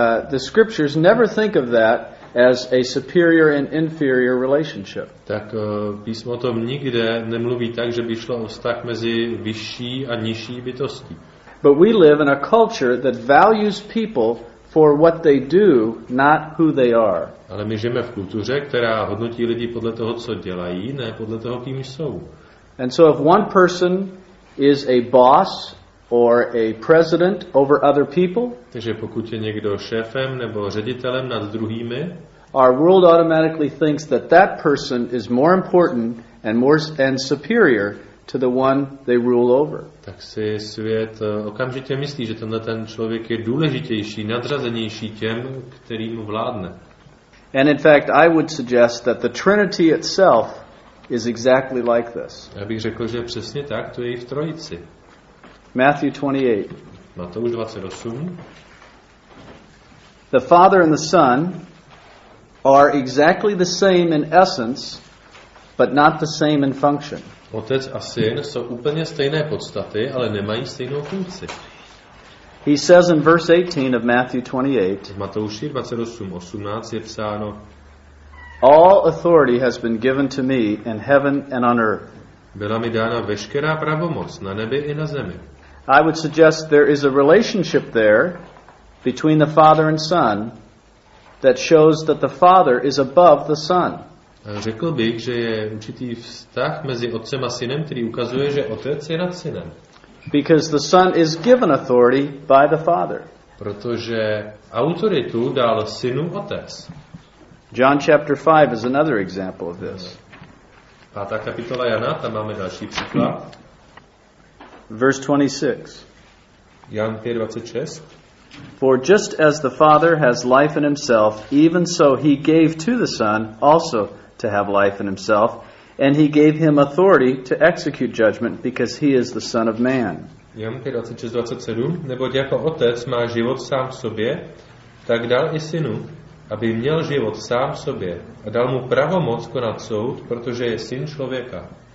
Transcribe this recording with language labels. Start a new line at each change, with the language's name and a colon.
English: the scriptures never think of that as a superior and inferior relationship.
Czech: Tak písmo o tom nikde nemluví tak, že by šlo o vztah mezi vyšší a nižší bytostí.
English: But we live in a culture that values people for what they do, not who they are.
Czech: Ale my žijeme v kultuře, která hodnotí lidi podle toho, co dělají, ne podle toho, kým jsou.
English: And so if one person is a boss or a president over other people,
Czech: takže pokud je někdo šéfem nebo ředitelem nad druhými,
English: our world automatically thinks that that person is more important and superior to the one they rule over.
Czech: Tak si svět okamžitě myslí, že tenhle ten člověk je důležitější, nadřazenější těm, kterým vládne.
English: And in fact, I would suggest that the Trinity itself is exactly like this.
Czech: Já bych řekl, že přesně tak, to je i v Trojici.
English: Matthew 28.
Czech: Matouš 28.
English: The Father and the Son are exactly the same in essence, but not the same in function.
Czech: Otec a syn jsou úplně stejné podstaty, ale nemají stejnou funkci.
English: He says in verse 18 of Matthew 28.
Czech: V Matouši 28:18 je psáno:
English: All authority has been given to me in heaven and on earth.
Czech: Byla mi dána veškerá pravomoc na nebi i na zemi.
English: I would suggest there is a relationship there between the Father and Son that shows that the Father is above the Son.
Czech: Řekl bych, že je určitý vztah mezi Otcem a Synem, který ukazuje, že Otec je nad Synem.
English: Because the Son is given authority by the Father.
Czech: Protože autoritu dal Synu Otec.
English: John chapter 5 is another example of this.
Czech: Pátá kapitola Jana, tam máme další příklad.
English: Verse 26.
Czech: Jan 5:26.
English: For just as the Father has life in himself, even so he gave to the Son also to have life in himself, and he gave him authority to execute judgment because he is the Son of Man.
Czech: Jan 5:26-27. Neboť jako Otec má život sám v sobě, tak dal i Synu, aby měl život sám sobě, a dal mu pravomoc konat soud, protože je Syn člověka.